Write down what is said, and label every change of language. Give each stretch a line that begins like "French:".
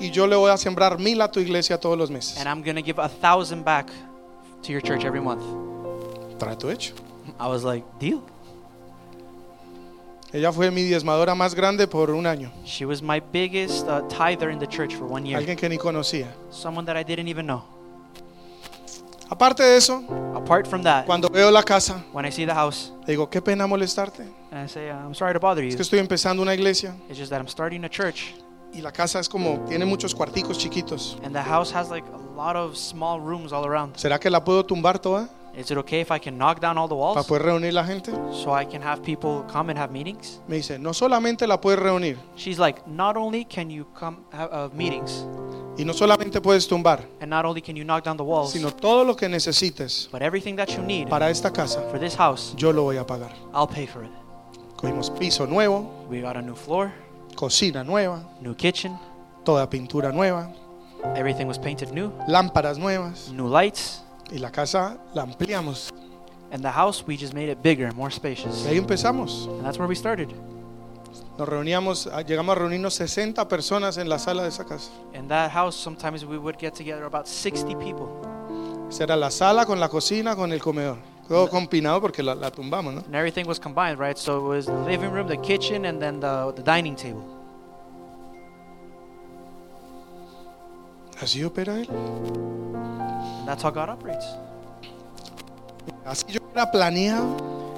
Spanish: Y yo le voy a sembrar 1,000 a tu iglesia todos los meses.
English: And I'm gonna give 1,000 back to your church every month.
Spanish: Trato hecho.
English: I was like, deal.
Spanish: Ella fue mi diezmadora más grande por un año.
English: She was my biggest tither in the church for 1 year.
Spanish: Alguien que ni conocía.
English: Someone that I didn't even know.
Spanish: Aparte de eso,
English: apart from that,
Spanish: cuando veo la casa,
English: when I see the house,
Spanish: le digo, qué pena molestarte.
English: And I say, I'm sorry to bother you.
Spanish: Es que estoy empezando una iglesia.
English: It's just that I'm starting a church.
Spanish: Y la casa es como, tiene muchos cuarticos chiquitos.
English: And the house has like a lot of small rooms all around.
Spanish: ¿Será que la puedo tumbar toda?
English: Is it okay if I can knock down all the walls?
Spanish: ¿Para poder reunir la gente?
English: So I can have people come and have meetings?
Spanish: Me dice, no solamente la puedes reunir.
English: She's like, not only can you come have meetings.
Spanish: Y no solamente puedes tumbar.
English: And not only can you knock down the walls.
Spanish: Sino todo lo que necesites.
English: But everything that you need.
Spanish: Para esta casa.
English: For this house.
Spanish: Yo lo voy a pagar.
English: I'll pay for it.
Spanish: Cogimos piso nuevo.
English: We got a new floor.
Spanish: Cocina nueva.
English: New kitchen.
Spanish: Toda pintura nueva.
English: Everything was painted new.
Spanish: Lámparas nuevas.
English: New lights.
Spanish: Y la casa la ampliamos.
English: And the house, we just made it bigger, more spacious.
Spanish: Y ahí empezamos.
English: And that's where we started.
Spanish: Nos reuníamos, llegamos a reunirnos 60 personas en la sala de esa casa.
English: In that house, sometimes we would get together about 60 people.
Spanish: Esa era la sala con la cocina, con el comedor. Todo combinado porque la tumbamos, ¿no?
English: And everything was combined, right? So it was the living room, the kitchen, and then the dining table.
Spanish: Así opera él.
English: And that's how God operates.
Spanish: Así yo era planeado.